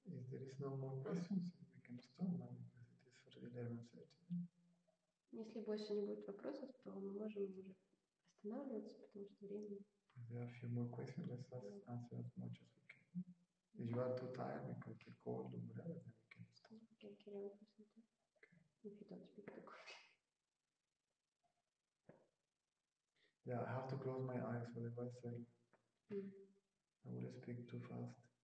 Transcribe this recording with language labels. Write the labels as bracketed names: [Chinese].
[English] If there is no more questions, we can stop now because it is for 11:30. [Russian] Если больше не будет вопросов, то мы можем уже останавливаться, потому что время. [English] There are a few more questions. Let's answer as much as we can. If you are too tired, we can keep cold or whatever, then we can stop. We can carry on for some time. Okay. If you don't speak too quickly. Yeah, I have to close my eyes, otherwise I would speak too fast.